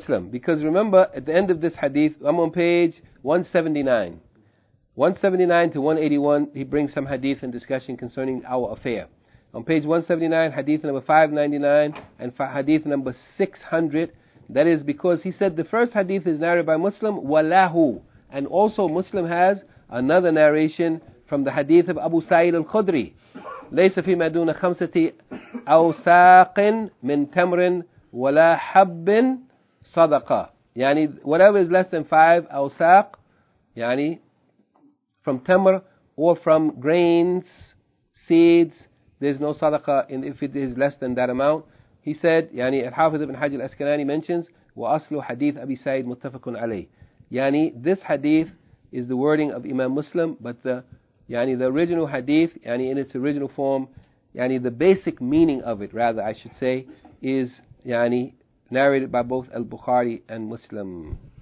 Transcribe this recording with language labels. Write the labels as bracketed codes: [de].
[en] Because remember, at the end of this hadith, I'm on page 179 to 181, he brings some hadith and discussion concerning our affair. On page 179, hadith number 599 and hadith number 600, that is because he said the first hadith is narrated by Muslim, walahu, and also Muslim has another narration from the hadith of Abu Sa'id al-Khudri. [ar] ليس في مدونة خمسة أوساق من تمر ولا حب صدقة. [en] يعني whatever is less than 5 أوساق, يعني from تمر or from grains, seeds, there's no صدقة if it is less than that amount. He said, [ar] يعني الحافظ ابن حجر الأسكناني mentions وأصل حديث أبي سعيد متفق عليه. [en] يعني this hadith is the wording of Imam Muslim, but the yani the original hadith, yani in its original form, yani the basic meaning of it, rather I should say, is yani narrated by both Al-Bukhari and Muslim.